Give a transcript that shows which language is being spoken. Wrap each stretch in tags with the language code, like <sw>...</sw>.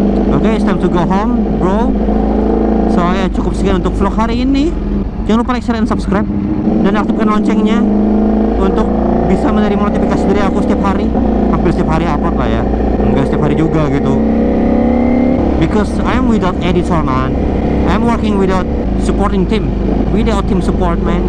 <en>Oke, it's time to go home, bro.</en> <id>So ya cukup sekian untuk vlog hari ini. Jangan lupa like, share, dan subscribe dan aktifkan loncengnya untuk bisa menerima notifikasi dari aku setiap hari. Hampir setiap hari upload lah ya. Enggak setiap hari juga gitu.</id> <en>Because I'm without editor man. I'm working without supporting team. Without team support man.</en>